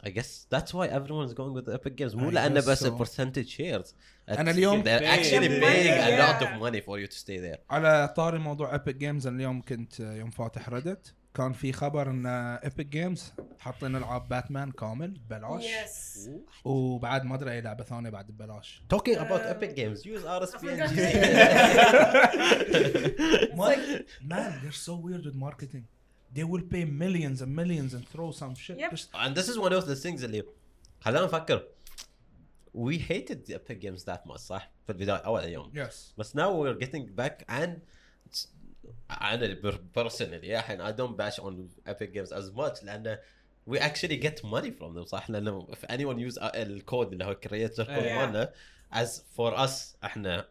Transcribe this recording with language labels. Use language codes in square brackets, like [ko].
[en] I guess that's why everyone is going with the Epic Games. [ar] مو لأن بس [en] so. Percentage shares. [ar] أنا اليوم [en] they're actually paying a lot of money for you to stay there. [ar] على طاري موضوع Epic Games أنا اليوم كنت يوم فاتح ريدت كان في خبر إن Epic Games حاطين ألعاب باتمان كامل بلاش. [en] Yes. [ar] وبعد ما أدري أي لعبة ثانية بعد بلاش. [en] Talking about Epic Games, use RSPNG. Man, they're so weird with marketing. They will pay millions and millions and throw some shit. Yep. And this is one of the things that [ar] خلانا نفكر. [en] We hated the Epic Games that much, [ar] صح؟ في البداية أول يوم. [en] Yes. But now we're getting back and [ar] أنا [en] personally [ar] الحين [en] I don't bash on Epic Games as much [ar] لأن [en] we actually get money from them, [ar] صح؟ لأن [en] if anyone use the code [ar] اللي هو [en] creator code [ar] مالنا [en] as for us [ar] إحنا.